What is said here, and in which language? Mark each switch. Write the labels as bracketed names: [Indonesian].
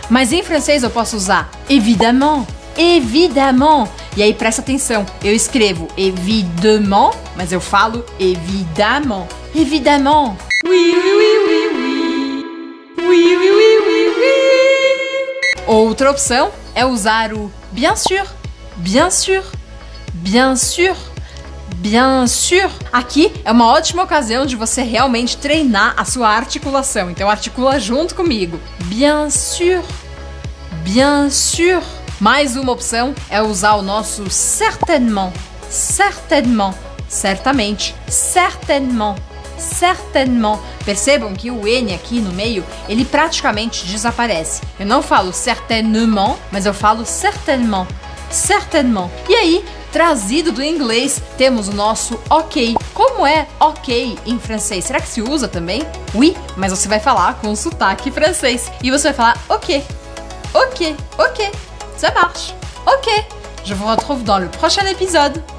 [Portuguese] Mas em francês eu posso usar évidemment, évidemment. E aí presta atenção, eu escrevo évidemment, mas eu falo évidemment, évidemment. [French] Oui, oui, oui, oui, oui. Oui, oui, oui, oui, oui. [Portuguese] Outra opção é usar o bien sûr. [French] Bien sûr, bien sûr, bien sûr. [Portuguese] Aqui é uma ótima ocasião de você realmente treinar a sua articulação. Então articula junto comigo. [French] Bien sûr, bien sûr. [Portuguese] Mais uma opção é usar o nosso certainement, certainement, certamente, certainement, certainement. Percebam que o N aqui no meio, ele praticamente desaparece. Eu não falo certainement, mas eu falo certainement. Certainement. E aí, trazido do inglês, temos o nosso ok. Como é ok em francês? Será que se usa também? Oui, mas você vai falar com sotaque francês. E você vai falar ok. Ok, ok. [French] Ça marche. [Portuguese] Ok. [French] Je vous retrouve dans le prochain épisode.